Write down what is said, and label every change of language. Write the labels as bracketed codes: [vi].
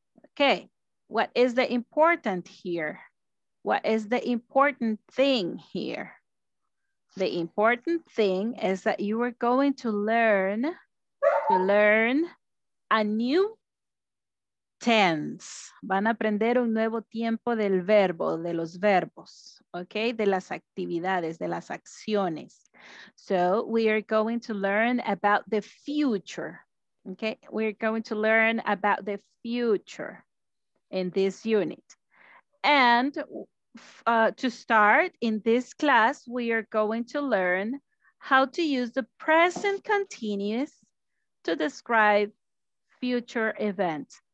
[en] Okay, what is the important here? What is the important thing here? The important thing is that you are going to learn a new tense. [es] Van a aprender un nuevo tiempo del verbo, de los verbos, okay? De las actividades, de las acciones. [en] So we are going to learn about the future, okay? We're going to learn about the future in this unit. And to start in this class, we are going to learn how to use the present continuous to describe future events.